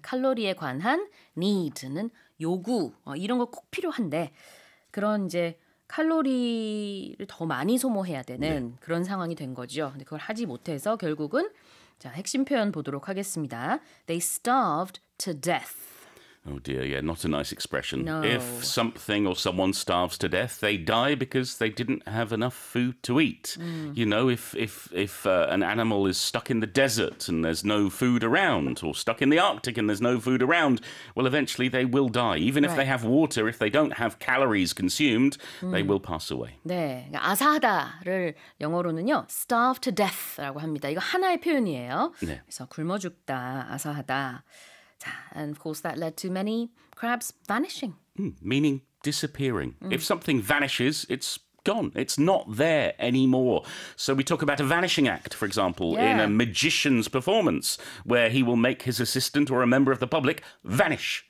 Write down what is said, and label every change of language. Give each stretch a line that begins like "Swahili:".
Korean: 칼로리에 관한 need는 요구, 이런 거 꼭 필요한데 그런 이제 칼로리를 더 많이 소모해야 되는 네. 그런 상황이 된 거죠. 근데 그걸 하지 못해서 결국은 자, 핵심 표현 보도록 하겠습니다.
English: They starved to death. Oh dear, yeah, not a nice expression. No. If something or someone starves to death, they die because they didn't have enough food to eat. You know, if an animal is stuck in the desert and there's no food around, or stuck in the Arctic and there's no food around, well, eventually they will die. Even if they have water, if they don't have calories consumed, they will pass away.
Korean: 네, 아사하다를 영어로는요, starve to death라고 합니다. 이거 하나의 표현이에요. 네. 그래서 굶어 죽다, 아사하다.
English: And of course, that led to many crabs vanishing. Meaning disappearing. If something vanishes, it's gone. It's not there anymore. So we talk about a vanishing act, for example, in a magician's performance, where he will make his assistant or a member of the public vanish.